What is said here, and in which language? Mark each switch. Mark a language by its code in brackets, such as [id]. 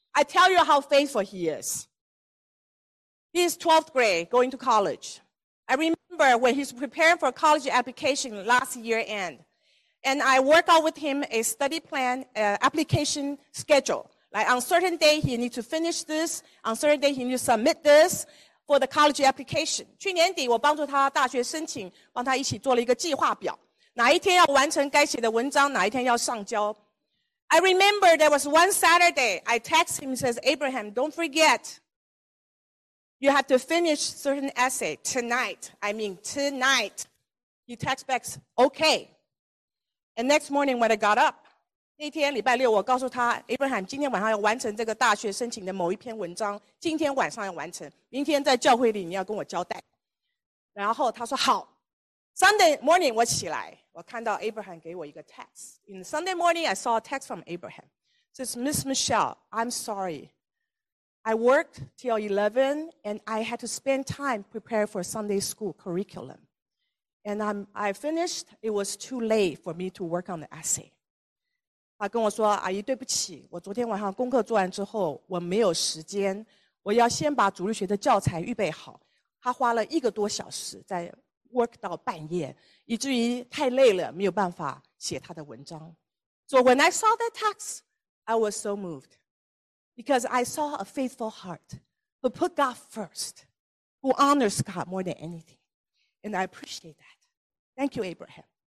[en] I tell you how faithful he is. He is 12th grade, going to college. I remember remember when he's preparing for college application last year end. And I work out with him a study plan, application schedule. Like on certain day, he needs to finish this. On certain day, he needs to submit this for the college application. [zh] 去年底我帮助他大学申请，帮他一起做了一个计划表。哪一天要完成该写的文章，哪一天要上交。 [en] I remember there was one Saturday, I text him and says, Abraham, don't forget, you have to finish certain essay tonight. I mean, tonight. He texts back, okay. And next morning when I got up, [zh] 那天礼拜六我告诉他 Abraham, 今天晚上要完成这个大学申请的某一篇文章，今天晚上要完成，明天在教会里你要跟我交代。然后他说好。 [en] Sunday morning [zh] 我起来，我看到 Abraham 给我一个 text. [en] In Sunday morning, I saw a text from Abraham. It says, Miss Michelle, I'm sorry. I worked till 11 and I had to spend time preparing for Sunday school curriculum. And I finished, it was too late for me to work on the essay. [zh] 他跟我说，阿姨对不起，我昨天晚上功课做完之后，我没有时间，我要先把主日学的教材预备好。他花了一个多小时在work 到半夜，以至于太累了，没有办法写他的文章。 [en] So when I saw that text, I was so moved. Because I saw a faithful heart who put God first, who honors God more than anything. And I appreciate that. Thank you, Abraham.